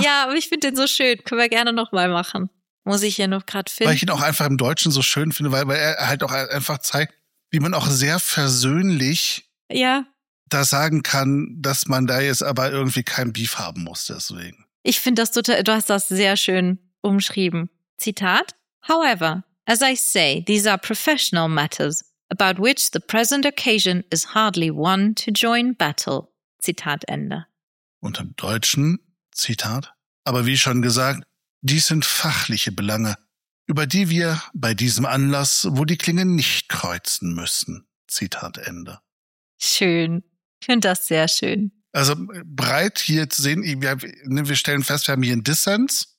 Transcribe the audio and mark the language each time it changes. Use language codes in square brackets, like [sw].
[de] Ja, aber ich finde den so schön. Können wir gerne nochmal machen. Muss ich hier noch gerade finden. Weil ich ihn auch einfach im Deutschen so schön finde, weil er halt auch einfach zeigt, wie man auch sehr versöhnlich da sagen kann, dass man da jetzt aber irgendwie kein Beef haben muss deswegen. Ich finde das total, du hast das sehr schön umschrieben. Zitat. [en] However, as I say, these are professional matters, about which the present occasion is hardly one to join battle. [de] Zitat Ende. Und im Deutschen, Zitat. Aber wie schon gesagt, dies sind fachliche Belange, über die wir bei diesem Anlass wohl die Klinge nicht kreuzen müssen. Zitat Ende. Schön. Ich finde das sehr schön. Also breit hier zu sehen, wir stellen fest, wir haben hier einen Dissens.